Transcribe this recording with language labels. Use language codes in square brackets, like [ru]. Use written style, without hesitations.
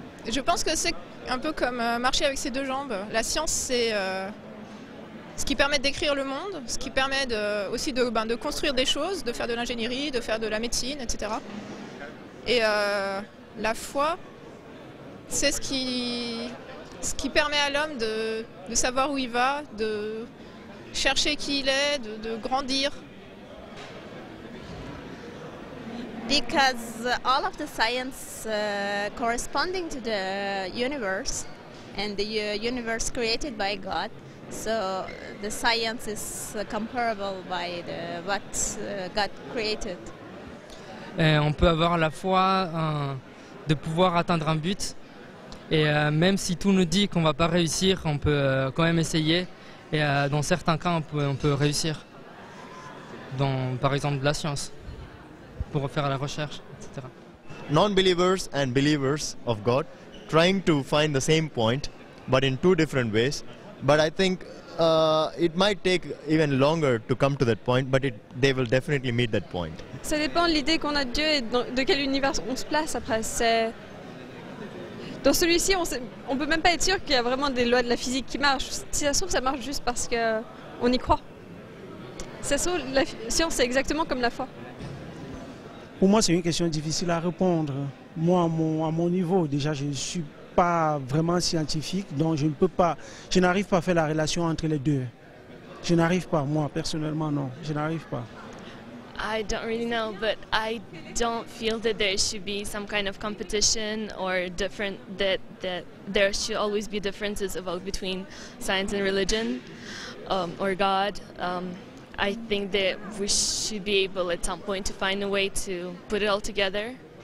[fr] Je pense que c'est un peu comme marcher avec ses deux jambes. La science c'est ce qui permet de décrire le monde, ce qui permet de construire des choses, de faire de l'ingénierie, de faire de la médecine, etc. Et la foi, c'est ce qui permet à l'homme de savoir où il va, de chercher qui il est, de grandir. [en] Because all of the science corresponding to the universe and the universe created by God, so the science is comparable by the what God created. [fr] Et on peut avoir la foi de pouvoir atteindre un but et même si tout nous dit qu'on ne va pas réussir, on peut quand même essayer et dans certains cas on peut réussir. dans, par exemple, la science, pour faire la recherche, etc. [en] Non-believers and believers of God trying to find the same point, but in two different ways. But I think it might take even longer to come to that point, but they will definitely meet that point. [fr] Ça dépend de l'idée qu'on a de Dieu et de quel univers on se place après. C'est dans celui-ci, on peut même pas être sûr qu'il y a vraiment des lois de la physique qui marchent. Si ça se trouve, ça marche juste parce que on y croit. Si ça se trouve, la science est exactement comme la foi. Pour moi, c'est une question difficile à répondre. Moi, à mon niveau, déjà, je ne suis pas vraiment scientifique, donc je n'arrive pas à faire la relation entre les deux. Je n'arrive pas, moi, personnellement, non. Je n'arrive pas. [en] I don't really know, but I don't feel that there should be some kind of competition or different, that there should always be differences about between science and religion or God. I think that we should be able at some point to find a way to put it all together.